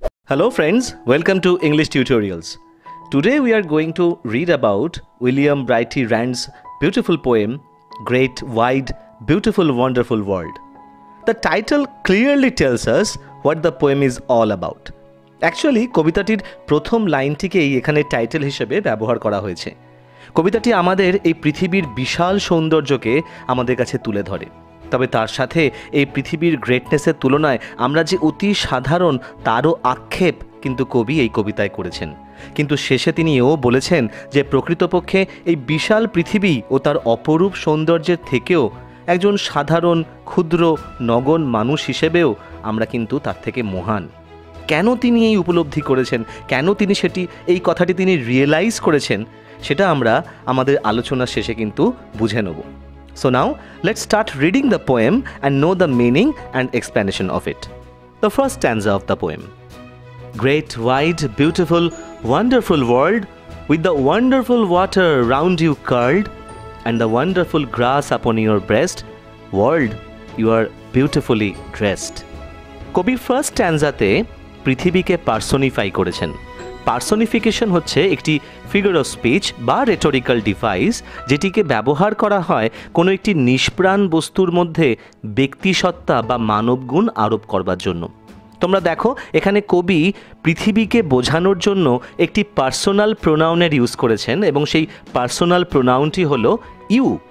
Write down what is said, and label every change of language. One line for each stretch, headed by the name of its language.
English: Hello friends, welcome to English Tutorials. Today we are going to read about William Brighty Rand's beautiful poem, Great, Wide, Beautiful, Wonderful World. The title clearly tells us what the poem is all about. Actually,
Bangla: কবিতাটির প্রথম লাইনটিকেই এখানে title হিসেবে ব্যবহার করা হয়েছে। কবিতাটি আমাদের এই পৃথিবীর বিশাল সৌন্দর্যকে আমাদের কাছে তুলে ধরে। তবে তার সাথে এই পৃথিবীর গ্রেটনেসের তুলনায় আমরা যে অতি সাধারণ তারও আক্ষেপ কিন্তু কবি এই কবিতায় করেছেন। কিন্তু শেষে তিনি এও বলেছেন যে প্রকৃতপক্ষে এই বিশাল পৃথিবী ও তার অপরূপ সৌন্দর্যের থেকেও একজন সাধারণ ক্ষুদ্র নগণ মানুষ হিসেবেও আমরা কিন্তু তার থেকে মহান। কেন তিনি এই উপলব্ধি করেছেন, কেন তিনি সেটি এই কথাটি তিনি রিয়েলাইজ করেছেন, সেটা আমরা আমাদের আলোচনার শেষে কিন্তু বুঝে নেব।
English: So now, let's start reading the poem and know the meaning and explanation of it. The first stanza of the poem. Great, wide, beautiful, wonderful world, with the wonderful water round you curled, and the wonderful grass upon your breast, world, you are beautifully dressed.
Bangla: Kobi first stanza te, prithibi ke personify korechen. Personification হচ্ছে একটি figure of speech বা rhetorical device যেটিকে ব্যবহার করা হয় কোনো একটি নিষ্প্রাণ বস্তুর মধ্যে ব্যক্তিসত্তা বা মানবগুণ আরোপ করবার জন্য। তোমরা দেখো এখানে কবি পৃথিবীকে বোঝানোর জন্য একটি পার্সোনাল প্রোনাউনের ইউজ করেছেন এবং সেই পার্সোনাল প্রোনাউনটি হলো ইউ।